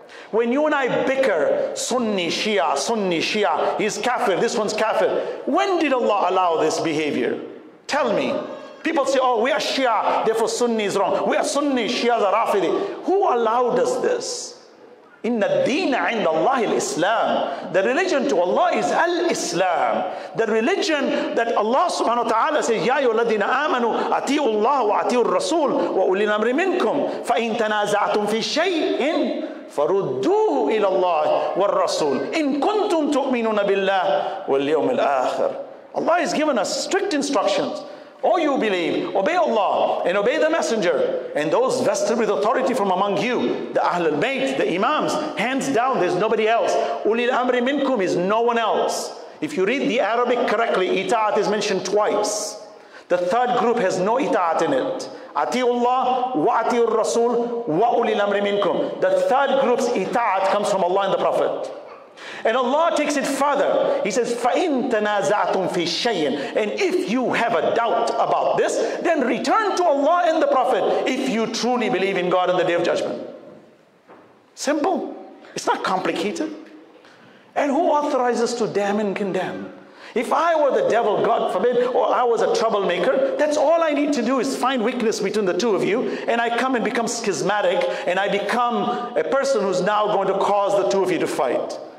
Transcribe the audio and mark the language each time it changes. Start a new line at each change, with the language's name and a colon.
English: When you and I bicker, Sunni Shia, he's kafir, this one's kafir. When did Allah allow this behavior? Tell me. People say, oh, we are Shia, therefore Sunni is wrong. We are Sunni, Shia is a Rafidi. Who allowed us this?
Arabic: إِنَّ الدِّينَ عِنْدَ اللَّهِ الْإِسْلَامِ.
English: The religion to Allah is al-Islam. The religion that Allah subhanahu wa ta'ala says,
Arabic: يَا أَيُّهَا الَّذِينَ آمَنُوا أَطِيعُوا اللَّهَ وَأَطِيعُوا الرَّسُولَ وَأُولِي الْأَمْرِ مِنْكُمْ فَإِنْ تَنَازَعْتُمْ فِي شَيْءٍ فَرُدُّوهُ إِلَى اللَّهِ وَالرَّسُولِ إِن كُنْتُمْ تُؤْمِنُونَ بِاللَّهِ وَالْيَوْمِ الْآخِرِ.
English: Allah has given us strict instructions. All you believe, obey Allah and obey the Messenger and those vested with authority from among you, the Ahlulbayt, the Imams, hands down, there's nobody else. Ulil Amri Minkum is no one else. If you read the Arabic correctly, ita'at is mentioned twice. The third group has no ita'at in it. Ati'ullah wa ati'ur Rasul wa ulil Amri Minkum. The third group's ita'at comes from Allah and the Prophet. And Allah takes it further. He says,
Arabic: فَإِن تَنَازَعْتُمْ فِي شَيْءٍ.
English: And if you have a doubt about this, then return to Allah and the Prophet if you truly believe in God and the Day of Judgment. Simple. It's not complicated. And who authorizes to damn and condemn? If I were the devil, God forbid, or I was a troublemaker, that's all I need to do is find weakness between the two of you, and I come and become schismatic, and I become a person who's now going to cause the two of you to fight.